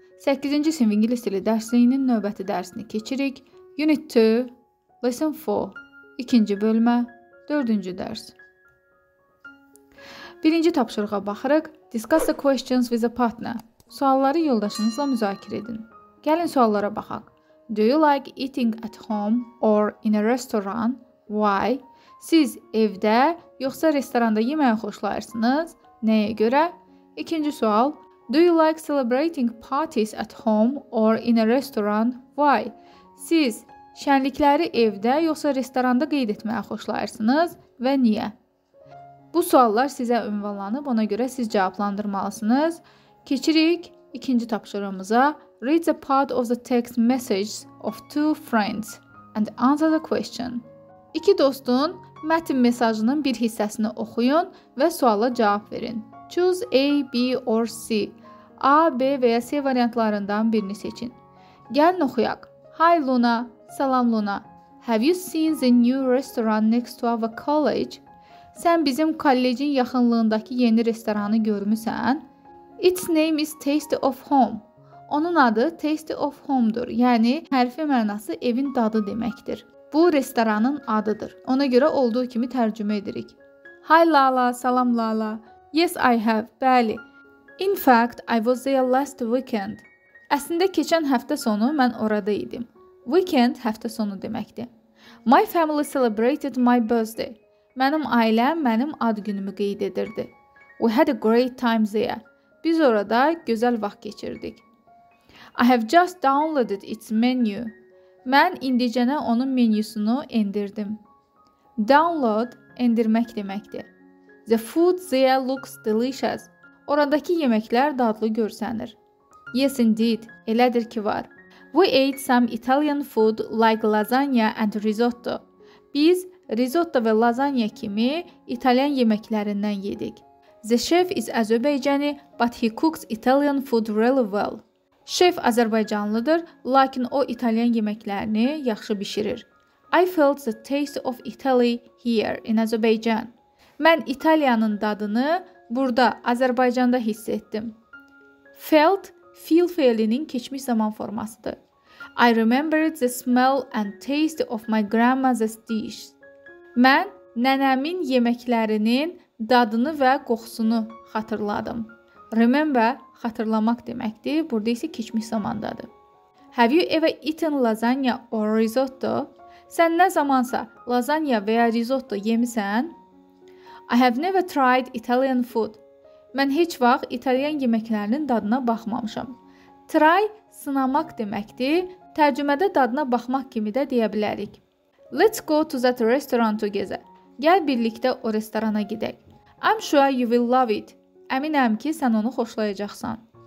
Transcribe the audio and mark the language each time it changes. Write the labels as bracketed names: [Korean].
[Azerbaijani] 8-ci sinif ingilis dili dərsliyinin növbəti dərsini keçirik. Unit 2, Lesson 4, 2-ci bölmə, 4-cü dərs. 1-ci tapşırığa baxırıq. [English] Discuss the questions with a partner. [Azerbaijani] Sualları yoldaşınızla müzakirə edin. Gəlin suallara baxaq. [English] Do you like eating at home or in a restaurant? Why? [Azerbaijani] Siz evdə yoxsa restoranda yeməyi xoşlayırsınız? Nəyə görə? İkinci sual, [English] do you like celebrating parties at home or in a restaurant? Why? [Azerbaijani] Siz şənlikləri evdə yoxsa restoranda qeyd etməyə xoşlayırsınız və niyə? Bu suallar sizə ünvanlanıb, ona görə siz cavablandırmalısınız. Keçirik ikinci tapşırığımıza. [English] Read the part of the text message of two friends and answer the question. [Azerbaijani] İki dostun mətn mesajının bir hissəsini oxuyun və suala cavab verin. [English] Choose A, B or C. [Azerbaijani] A, B və ya C variantlarından birini seçin. Gəlin oxuyaq. [English] Hi Luna. [Azerbaijani] Salam Luna. [English] Have you seen the new restaurant next to our college? [Azerbaijani] Sən bizim kollecin yaxınlığındakı yeni restoranı görmüsən? [English] Its name is Taste of Home. [Azerbaijani] Onun adı Taste of Home'dur. Yəni, hərfi mənası evin dadı deməkdir. Bu restoranın adıdır. Ona görə olduğu kimi tərcümə edirik. [English] Hi Lala. [Azerbaijani] Salam Lala. [English] Yes, I have. [Azerbaijani] Bəli. [English] In fact, I was there last weekend. [Azerbaijani] Əslində, keçən həftə sonu mən orada idim. Weekend həftə sonu deməkdir. [English] My family celebrated my birthday. [Azerbaijani] Mənim ailəm mənim ad günümü qeyd edirdi. [English] We had a great time there. [Azerbaijani] Biz orada gözəl vaxt keçirdik. [English] I have just downloaded its menu. [Azerbaijani] Mən indicənə onun menüsünü endirdim. Download, endirmək deməkdir. [English] The food there looks delicious. [Azerbaijani] Oradakı yeməklər dadlı görsənir. [English] Yes, indeed. [Azerbaijani] Elədir ki, var. [English] We ate some Italian food like lasagna and risotto. [Azerbaijani] Biz risotto və lasagna kimi İtalyan yeməklərindən yedik. [English] The chef is Azerbaijani, but he cooks Italian food really well. [Azerbaijani] Şef Azərbaycanlıdır, lakin o İtalyan yeməklərini yaxşı bişirir. [English] I felt the taste of Italy here in Azerbaijan. [Azerbaijani] Mən İtaliyanın dadını burada, Azərbaycanda hiss etdim. Felt, feel fiilinin keçmiş zaman formasıdır. [English] I remembered the smell and taste of my grandmother's dish. [Azerbaijani] Mən nənəmin yeməklərinin dadını və qoxusunu xatırladım. Remember, xatırlamaq deməkdir, burada isə keçmiş zamandadır. [English] Have you ever eaten lasagna or risotto? [Azerbaijani] Sən nə zamansa lasagna və ya risotto yemisən? [English] I have never tried Italian food. [Azerbaijani] Mən heç vaxt İtalyan yeməklərinin dadına baxmamışam. Try, sınamaq deməkdir. Tərcümədə dadına baxmaq kimi də deyə bilərik. [English] Let's go to that restaurant together. [Azerbaijani] Gəl birlikdə o restorana gidək. [English] I'm sure you will love it. [Azerbaijani] Əminəm ki, sən onu xoşlayacaqsan.